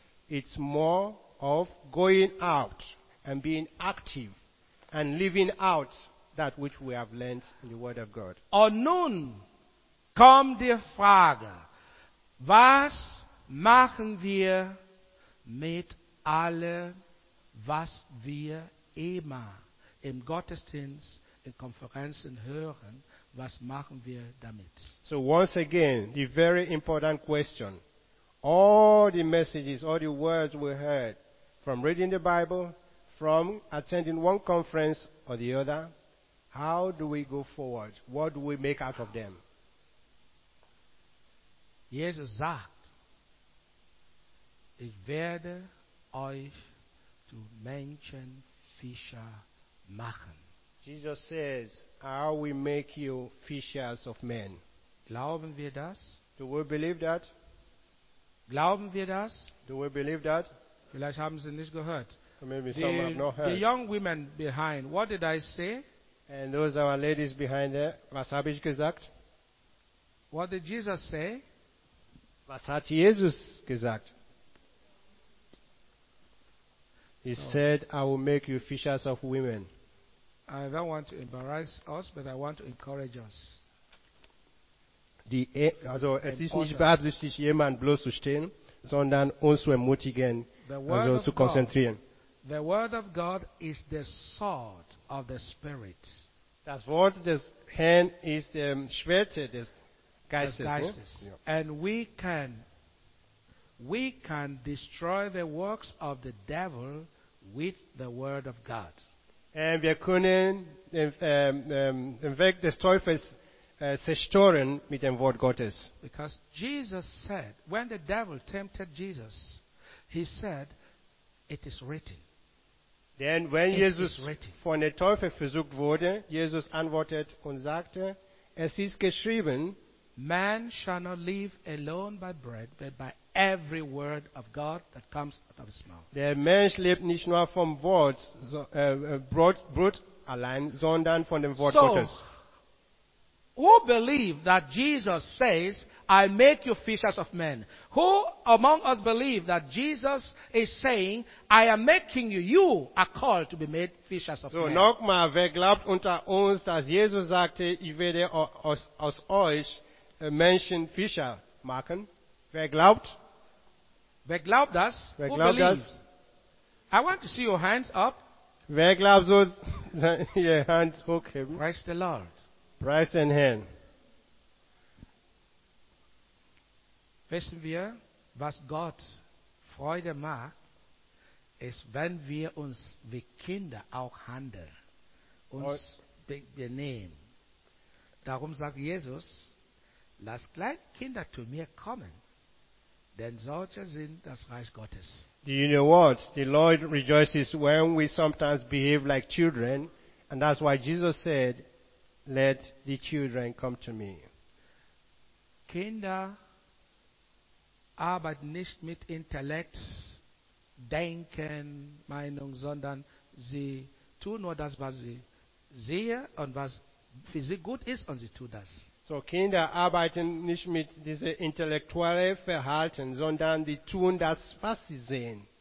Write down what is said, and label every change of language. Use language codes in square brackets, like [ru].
[en] It's more of going out and being active and living out that which we have learned in the word of God. [de] Und nun kommt die Frage, was machen wir mit allem, was wir immer im Gottesdienst, in Konferenzen hören, was machen wir damit? [en] So once again, the very important question, all the messages, all the words we heard from reading the Bible, from attending one conference or the other, how do we go forward? What do we make out of them? [de] Jesus sagt, ich werde euch zu Menschenfischer machen. [en] Jesus says, I will make you fishers of men. [de] Glauben wir das? [en] Do we believe that? [de] Glauben wir das? [en] Do we believe that? [de] Vielleicht haben Sie nicht gehört. [en] Maybe some have not heard. The young women behind, what did I say? And those are our ladies behind there. [de] Was habe ich gesagt? [en] What did Jesus say? Was hat Jesus gesagt? He said, I will make you fishers of women. I don't want to embarrass us, but I want to encourage us. [de] Also es ist nicht beabsichtigt, jemanden bloßzustellen, sondern uns zu ermutigen, also zu konzentrieren. [en] The word of God is the sword of the Spirit. [de] Das Wort des Herrn ist der Schwert des Geistes. Des Geistes. Yeah. [en] And we can destroy the works of the devil with the word of God. [de] Und wir können den Weg des Teufels zerstören mit dem Wort Gottes. [en] Because Jesus said, when the devil tempted Jesus, he said, it is written. [de] Denn wenn Jesus von dem Teufel versucht wurde, Jesus antwortet und sagte, es ist geschrieben, [en] man shall not live alone by bread, but by every word of God that comes out of his mouth. [de] Der Mensch lebt nicht nur vom Wort, Brot allein, sondern von dem Wort Gottes. [en] Who believe that Jesus says, I make you fishers of men? Who among us believe that Jesus is saying, I am making you, you are called to be made fishers of men? [de] So nochmal, wer glaubt unter uns, dass Jesus sagte, ich werde aus euch Menschen Fischer machen? Wer glaubt? Wer glaubt das? Wer glaubt das? [en] I want to see your hands up. [de] Wer glaubt so, seine Hand hochheben? [en] Praise the Lord. [de] Preis den Herrn. Wissen wir, was Gott Freude macht, ist, wenn wir uns wie Kinder auch handeln, uns benehmen. Darum sagt Jesus, lass kleine Kinder zu mir kommen, denn solche sind das Reich Gottes. [en] Do you know what? The Lord rejoices when we sometimes behave like children, and that's why Jesus said, let the children come to me. [de] Kinder arbeiten nicht mit Intellekt, Denken, Meinung, sondern sie tun nur das, was sie sehen und was für sie gut ist, und sie tun das. So Kinder arbeiten nicht mit diesem intellektuellen Verhalten, sondern sie tun das, was sie sehen.